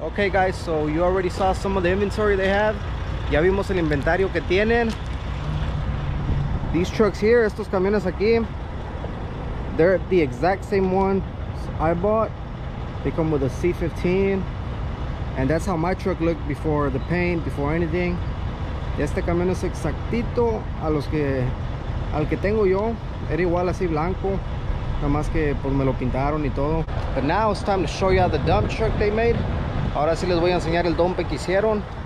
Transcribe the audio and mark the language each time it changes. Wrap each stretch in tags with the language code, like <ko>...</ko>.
<en>Guys, so you already saw some of the inventory they have.</en> <es>Ya vimos el inventario que tienen.</es> <en>These trucks here,</en> <es>estos camiones aquí,</es> <en>they're the exact same one I bought. They come with a C15, and that's how my truck looked before the paint, before anything.</en> <es>Este camión es exactito a los que al que tengo yo. Era igual así blanco, nada más que pues me lo pintaron y todo.</es> <en>But now it's time to show you the dump truck they made.</en> <es>Ahora sí les voy a enseñar el dompe que hicieron.</es>